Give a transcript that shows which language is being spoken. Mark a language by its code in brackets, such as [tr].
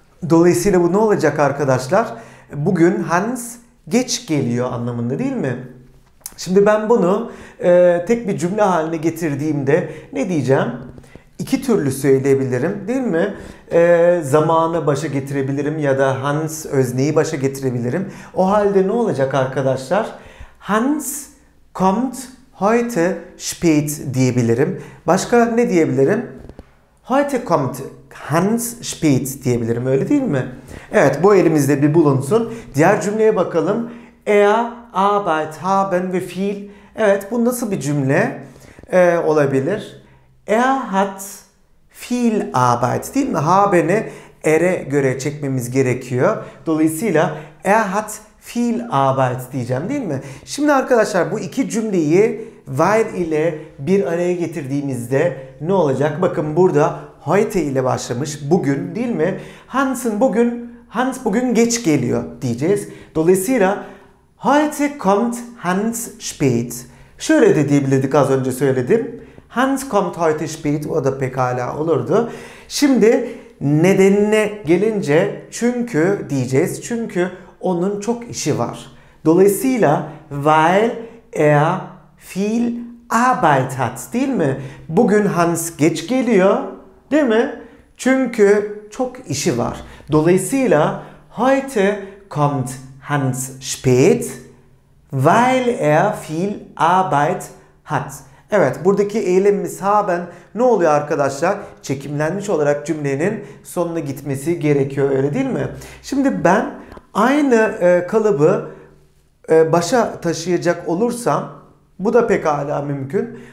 [tr] Dolayısıyla bu ne olacak arkadaşlar? Bugün Hans geç geliyor anlamında değil mi? Şimdi ben bunu tek bir cümle haline getirdiğimde ne diyeceğim? İki türlü söyleyebilirim değil mi? Zamanı başa getirebilirim ya da Hans özneyi başa getirebilirim. O halde ne olacak arkadaşlar? [de] Hans kommt heute spät [tr] diyebilirim. Başka ne diyebilirim? [de] Heute kommt Hans spät [tr] diyebilirim öyle değil mi? Evet bu elimizde bir bulunsun. Diğer cümleye bakalım. Arbeit haben ve fiil. Evet bu nasıl bir cümle olabilir? [de] Hat viel Arbeit [tr] değil mi? Haben'i ere göre çekmemiz gerekiyor. Dolayısıyla [de] hat viel Arbeit [tr] diyeceğim değil mi? Şimdi arkadaşlar bu iki cümleyi weil ile bir araya getirdiğimizde ne olacak? Bakın burada heute ile başlamış bugün değil mi? Hans bugün geç geliyor diyeceğiz. Dolayısıyla [de] heute kommt Hans spät. [tr] Şöyle de diyebilirdik az önce söyledim. [de] Hans kommt heute spät. [tr] O da pekala olurdu. Şimdi nedenine gelince çünkü diyeceğiz. Çünkü onun çok işi var. Dolayısıyla [de] weil viel Arbeit hat. [tr] Değil mi? Bugün Hans geç geliyor. Değil mi? Çünkü çok işi var. Dolayısıyla [de] heute kommt Hans spät, weil viel Arbeit hat. [tr] Evet, buradaki eylemimiz haben ne oluyor arkadaşlar? Çekimlenmiş olarak cümlenin sonuna gitmesi gerekiyor, öyle değil mi? Şimdi ben aynı kalıbı başa taşıyacak olursam, bu da pekala mümkün.